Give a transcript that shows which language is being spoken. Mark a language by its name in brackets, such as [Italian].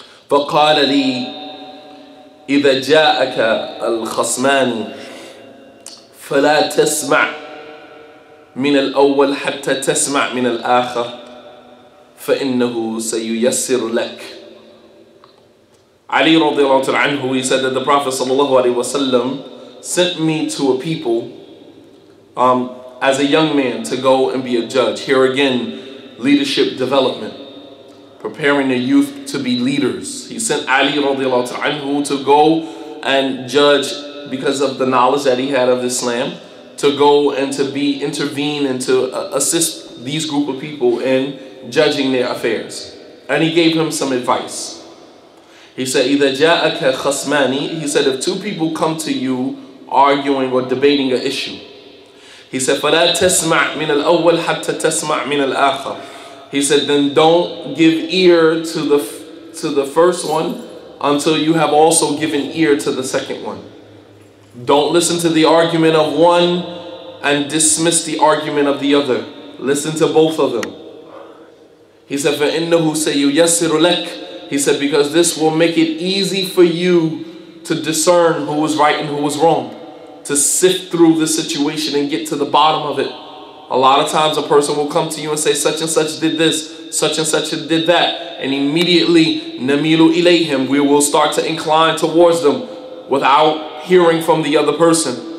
[Arabic] فقال لي إذا جاءك الخصمان فلا تسمع من الأول حتى تسمع من الآخر فإنه سييسر لك. [English] علي رضي الله تعالى عنه, he said that the Prophet صلى الله عليه وسلم sent me to a people as a young man to go and be a judge. Here again, leadership development, preparing the youth to be leaders. He sent Ali radiallahu ta'ala anhu to go and judge because of the knowledge that he had of Islam, to go and to be intervene and to assist these group of people in judging their affairs. And he gave him some advice. He said, [Arabic] إِذَا جَاءَكَ خَصْمَانِ, [English] he said, if two people come to you arguing or debating an issue, he said, [Arabic] فَلَا تَسْمَعْ مِنَ الْأَوَّلْ حَتَّى تَسْمَعْ مِنَ الْآخَرِ. [English] He said, then don't give ear to the first one until you have also given ear to the second one. Don't listen to the argument of one and dismiss the argument of the other. Listen to both of them. He said, [Arabic] فَإِنَّهُ سَيُيَسِّرُ لَكَ. [English] He said, because this will make it easy for you to discern who was right and who was wrong, to sift through the situation and get to the bottom of it. A lot of times a person will come to you and say, such and such did this, such and such did that. And immediately, [Arabic] namilu ilayhim, [English] we will start to incline towards them without hearing from the other person.